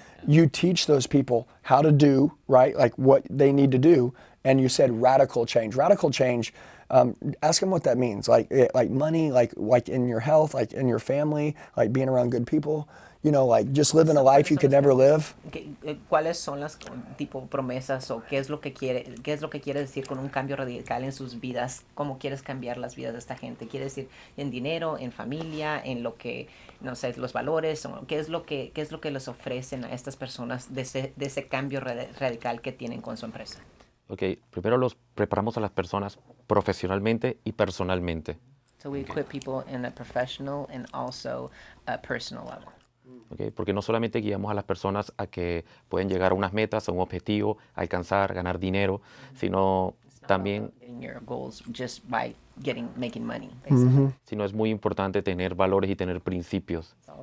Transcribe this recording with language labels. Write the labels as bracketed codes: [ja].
[en] You teach those people how to do, right? Like what they need to do. And you said radical change. Radical change, ask them what that means. Like money, like in your health, like in your family, like being around good people. You know, like just living a life you could never live. [es] ¿Cuáles son las tipo promesas o qué es lo que quiere decir con un cambio radical en sus vidas? ¿Cómo quieres cambiar las vidas de esta gente? ¿Quiere decir en dinero, en familia, en lo que, no sé, los valores? ¿Qué es lo que les ofrecen a estas personas de ese cambio radical que tienen con su empresa? Okay, primero los preparamos a las personas profesionalmente y personalmente. [en] So we equip people in a professional and also a personal level. [es] Okay, porque no solamente guiamos a las personas a que pueden llegar a unas metas, a un objetivo, a alcanzar, ganar dinero, sino también... Sino es muy importante tener valores y tener principios.